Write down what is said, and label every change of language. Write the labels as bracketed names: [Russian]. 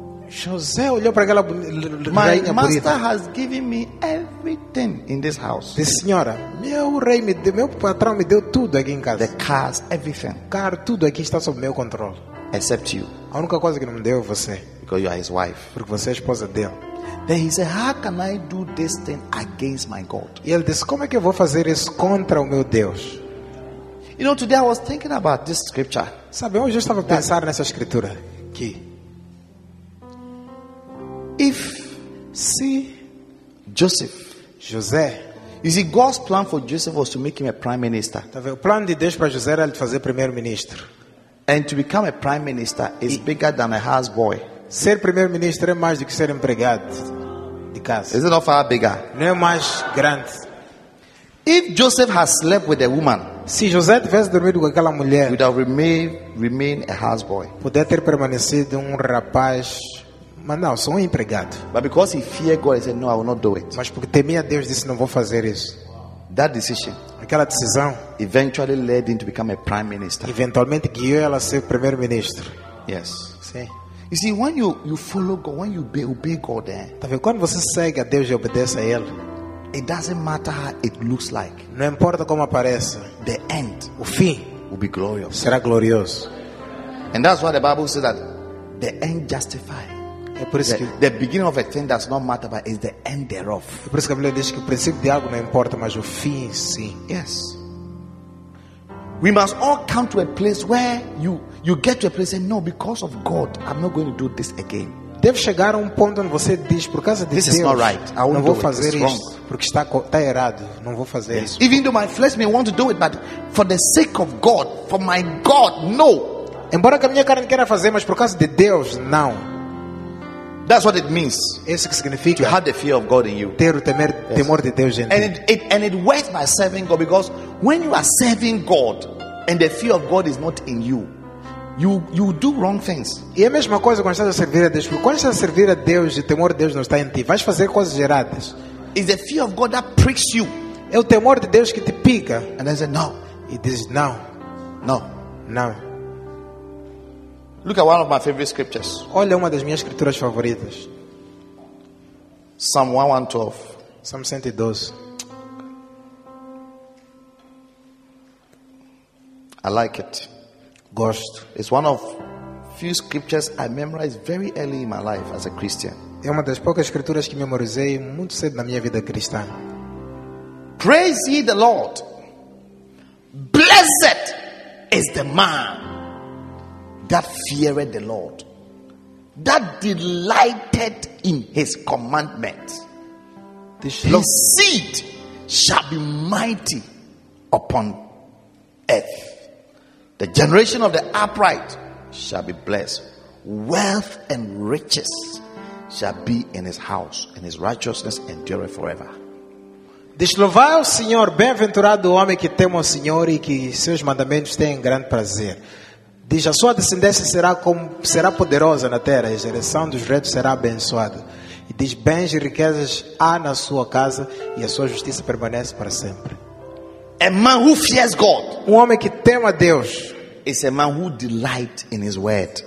[Portuguese] José olhou para aquela rainha bonita. [English] My master has given me everything in this house. [Portuguese] De senhora, meu rei me deu, meu patrão me deu tudo aqui em casa. [English] The cars, everything. [Portuguese] Car, tudo aqui está sob meu controle. [English] Except you. [Portuguese] A única coisa que não me deu é você. [English] Because you are his wife. [Portuguese] Porque você é esposa dele. [English] Then he said, how can I do this thing against my God? [Portuguese] E ele disse, como é que eu vou fazer isso contra o meu Deus? [English] You know, today I was thinking about this scripture. [Portuguese] Sabe, hoje eu estava a pensar nessa escritura que [English] if see Joseph, [Portuguese] José, [English] you see, God's plan for Joseph was to make him a prime minister. [Portuguese] Tá vendo? O plano de Deus para José era ele fazer primeiro-ministro. [English] And to become a prime minister is bigger than a house boy. [Portuguese] Ser primeiro-ministro é mais do que ser empregado de casa. [English] Is it not far bigger? [Portuguese] Não é mais grande. [English] If Joseph has slept with a woman, [Portuguese] se José tivesse dormido com aquela mulher, [English] would have remained a house boy. [Portuguese] Poderia ter permanecido rapaz. Mas não, sou empregado. [English] But because he feared God, he said, "No, I will not do it." [Portuguese] Mas porque temia Deus, disse, "Não vou fazer isso." [English] That decision, [Portuguese] aquela decisão, [English] eventually led him to become a prime minister. [Portuguese] Eventualmente guiou ela a ser primeiro-ministro. [English] Yes, [Portuguese] sim. [English] You see, when you follow God, when you obey God, eh? [Portuguese] Tá vendo? Quando você segue a Deus e obedece a Ele, [English] it doesn't matter how it looks like. [Portuguese] Não importa como aparece. [English] The end, [Portuguese] o fim, [English] will be glorious. [Portuguese] Será glorioso. [English] And that's why the Bible says that the end justifies. [Portuguese] É por isso [English] the beginning of a thing does not matter, but it's the end thereof. [Portuguese] É por isso que a Bíblia diz que o princípio de algo não importa, mas o fim sim. [English] Yes. We must all come to a place where you get to a place and say, no, because of God, I'm not going to do this again. [Portuguese] Deve chegar a um ponto onde você diz, por causa de [English] this [Portuguese] Deus, [English] is not right. I won't [Portuguese] não vou [English] do [Portuguese] fazer [English] it. [Portuguese] Isso, porque está errado. Não vou fazer isso. [English] Even though my flesh may want to do it, but for the sake of God, for my God, no. [Portuguese] Embora que a minha carne queira fazer, mas por causa de Deus, não. [English] That's what it means. [Portuguese] Isso que significa [English] to have the fear of God in you. [Portuguese] Ter o temer, yes. Temor de Deus em ti. [English] And it works by serving God, because when you are serving God and the fear of God is not in you, you do wrong things. [Portuguese] E é a mesma coisa quando estás a servir a Deus, porque quando estás a servir a Deus e o temor de Deus não está em ti, vais fazer coisas erradas. [English] It's the fear of God that pricks you. [Portuguese] É o temor de Deus que te pica. [English] And I say no. It is no. No. No. Look at one of my favorite scriptures. Olha uma das minhas escrituras favoritas. Psalm 112. Psalm 112. I like it. Gosto. It's one of few scriptures I memorized very early in my life as a Christian. É uma das poucas escrituras que memorizei muito cedo na minha vida cristã. Praise ye the Lord. Blessed is the man that feared the Lord, that delighted in his commandments. His seed shall be mighty upon earth. The generation of the upright shall be blessed. Wealth and riches shall be in his house, and his righteousness endureth forever. [Portuguese] Deslouvai o Senhor, bem-aventurado o homem que teme o Senhor e que seus mandamentos têm grande prazer. Diz, a sua descendência será poderosa na terra, a geração dos retos será abençoada. E diz, bens e riquezas há na sua casa e a sua justiça permanece para sempre. [English] A man who fears God, [Portuguese] um homem que teme a Deus, [English] is a man who delights in his word.